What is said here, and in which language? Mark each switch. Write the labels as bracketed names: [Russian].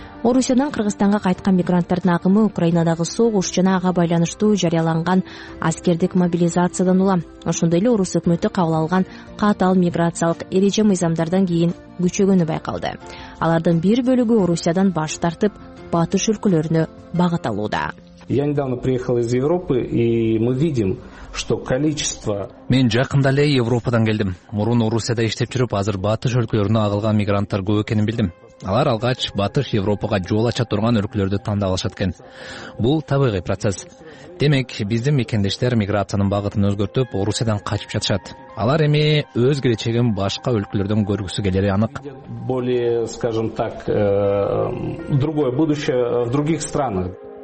[Kyrgyz] Орусиядан Кыргызстанга кайткан мигранттардын агымы Украинадагы согуш жана ага байланыштуу жарыяланган аскердик мобилизациядан улам. Ошондой эле орус өкмөтү кабыл алган катаал миграциялык эреже мыйзамдардан кийин күчөгөнү байкалды. Алардын бир бөлүгү Орусиядан баш тартып, батыш өлкөлөрүнө багыт алууда. [Russian] Я недавно приехал из Европы, и мы видим, что количество... [Kyrgyz] Мен жакында эле Европадан келдим. Мурун Орусияда иштеп жүрүп, азыр батыш өлкөлөрүнө агылган мигранттар көп экенин билдим. Алар алгач батыш Европага жол ача турган өлкөлөрдү тандалышат экен. Бул табигый процесс. Демек, биздин мекендештер миграциянын багытын өзгөртүп, Орусиядан качып жатышат. Алар эми өз келечегин башка өлкөлөрдөн көргүсү келери анык. [Russian] Более, скажем так, другое будущее в других странах.